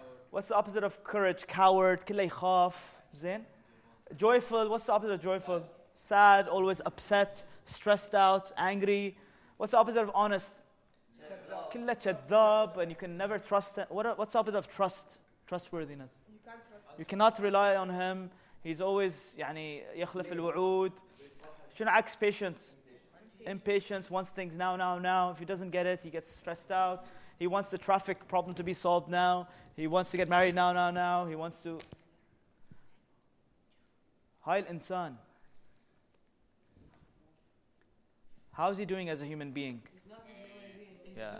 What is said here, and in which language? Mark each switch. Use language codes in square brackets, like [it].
[en] What's the opposite of courage? Coward, [ar] كله يخاف, زين? [en] Joyful, what's the opposite of joyful? Sad, always upset, stressed out, angry. What's the opposite of honest? Killa chadab, and you can never trust him. What's the opposite of trust? Trustworthiness. You can't trust him. You cannot rely on him. He's always, [ar] يعني يخلف الوعود. شنو عكس [en] patience? impatience, wants things now, now, now. If he doesn't get it, he gets stressed out. He wants the traffic problem to be solved now. He wants to get married now, now, now. He wants to... [ar] هاي الإنسان. [en] How is he doing as a human being? He's not a human being.